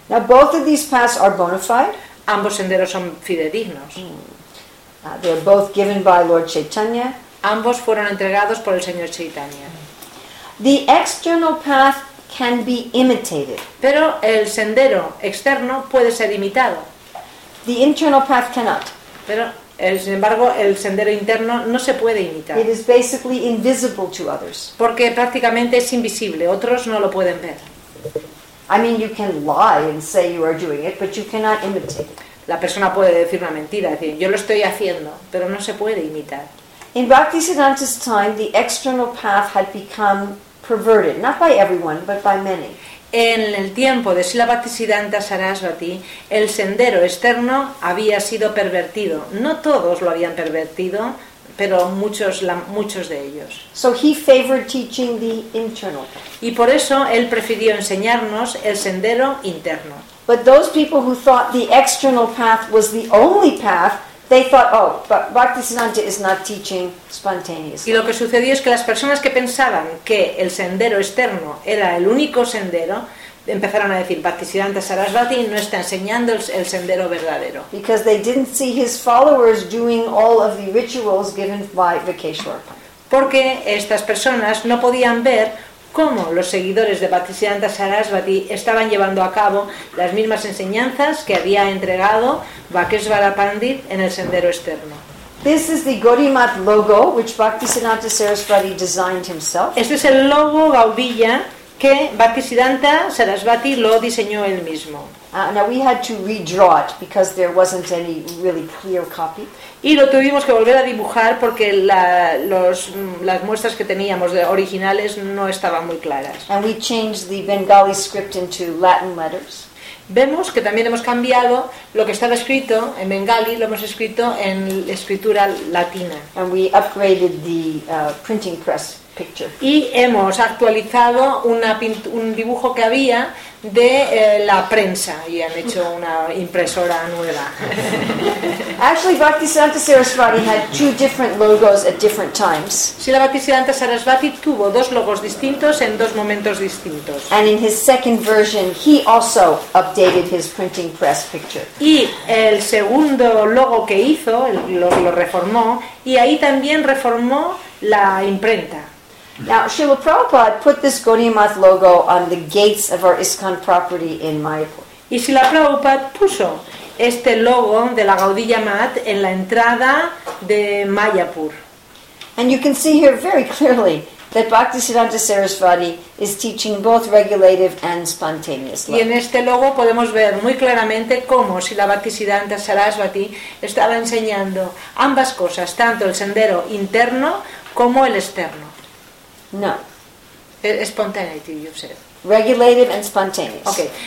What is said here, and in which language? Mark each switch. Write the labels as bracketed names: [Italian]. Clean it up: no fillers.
[English] Now both of these paths are bona fide. [Spanish] Ambos senderos son fidedignos. [English] They're both given by Lord Chaitanya. [Spanish] Ambos fueron entregados por el Señor Chaitanya. [English] The external path can be imitated. [Spanish] Pero el sendero externo puede ser imitado. [English] The internal path cannot. [Spanish] Pero, sin embargo, el sendero interno no se puede imitar. [English] It is basically invisible to others. [Spanish] Porque prácticamente es invisible, otros no lo pueden ver. [English] I mean, you can lie and say you are doing it, but you cannot imitate it. [Spanish] La persona puede decir una mentira, decir, yo lo estoy haciendo, pero no se puede imitar. [English] In Bhaktisiddhanta's time, the external path had become perverted, not by everyone, but by many. [Spanish] En el tiempo de Srila Bhaktisiddhanta Sarasvati, el sendero externo había sido pervertido. No todos lo habían pervertido, pero muchos de ellos. [English] So he favored teaching the internal path. [Spanish] Y por eso él prefirió enseñarnos el sendero interno. [English] But those people who thought the external path was the only path, they thought, oh, but Bhaktisiddhanta is not teaching spontaneously. [Spanish] Y lo que sucedió es que las personas que pensaban que el sendero externo era el único sendero, empezaron a decir, Bhaktisiddhanta Sarasvati no está enseñando el sendero verdadero. [English] Because they didn't see his followers doing all of the rituals given by Vakeshwarpa. [Spanish] Porque estas personas no podían ver cómo los seguidores de Bhaktisiddhanta Sarasvati estaban llevando a cabo las mismas enseñanzas que había entregado Vakeshvara Pandit en el sendero externo. [English] This is the Gaudimath logo which Bhaktisiddhanta Sarasvati designed himself. [Spanish] Este es el logo Gaudiya que Bhaktisiddhanta Sarasvati lo diseñó él mismo. [English] Now we had to redraw it because there wasn't any really clear copy. [Spanish] Y lo tuvimos que volver a dibujar porque las muestras que teníamos de originales no estaban muy claras. [English] And we changed the Bengali script into Latin letters. [Spanish] Vemos que también hemos cambiado lo que estaba escrito en Bengali, lo hemos escrito en escritura latina. [English] And we upgraded the printing press picture. [Spanish] Y hemos actualizado un dibujo que había de la prensa y han hecho una impresora nueva. [English] Actually, Bhaktisiddhanta Sarasvati had two different logos at different times. [Spanish] Sí, la Bhaktisiddhanta Sarasvati tuvo dos logos distintos en dos momentos distintos. [English] And in his second version, he also updated his printing press picture. [Spanish] Y el segundo logo que hizo lo reformó y ahí también reformó la imprenta. [English] Now, Srila Prabhupada put this Gaudimath logo on the gates of our ISKCON property in Mayapur. [Spanish] Y Srila Prabhupada puso este logo de la Gaudiya Math en la entrada de Mayapur. [English] And you can see here very clearly that Bhaktisiddhanta Sarasvati is teaching both regulative and spontaneous love. [Spanish] Y en este logo podemos ver muy claramente cómo Srila Bhaktisiddhanta Sarasvati estaba enseñando ambas cosas, tanto el sendero interno como el externo. [English] No. Spontaneity, you said. Regulative and spontaneous. Okay.